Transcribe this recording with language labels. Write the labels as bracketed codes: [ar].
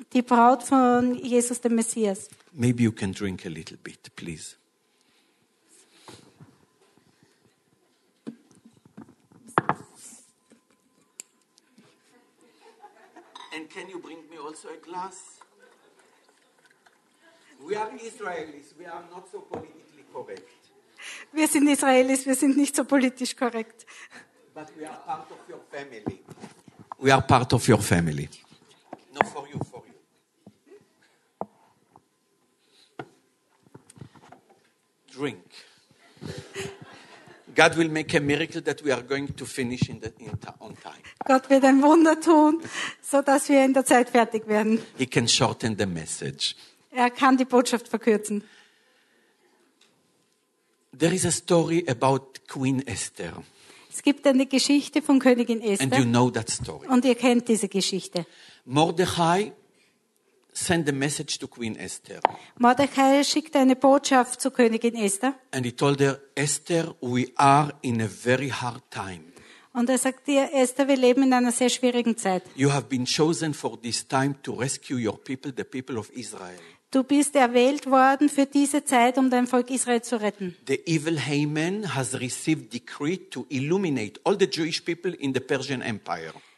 [de] Die Braut von Jesus dem Messias. [en] Maybe you can drink a little bit, please. And can you bring me also a glass? We are Israelis, we are not so politically correct. [de] Wir sind Israelis, wir sind nicht so politisch korrekt. [en] But we are part of your family. We are part of your family. No, for you. Drink. God will make a miracle that we are going to finish on time. [de] Gott wird ein Wunder tun, so dass wir in der Zeit fertig werden. [en] He can shorten the message. [de] Er kann die Botschaft verkürzen. [en] There is a story about Queen Esther. [de] Es gibt eine Geschichte von Königin Esther. [en] And you know that story. [de] Und ihr kennt diese Geschichte. [en] Mordechai sent a message to Queen Esther. [de] Mordechai schickte eine Botschaft zu Königin Esther. [en] And he told her, Esther, we are in a very hard time. [de] Und er sagte ihr, Esther, wir leben in einer sehr schwierigen Zeit. [en] You have been chosen for this time to rescue your people, the people of Israel. [de] Du bist erwählt worden für diese Zeit, um dein Volk Israel zu retten. [en] The evil Haman has received decree to illuminate all the Jewish people in the Persian Empire.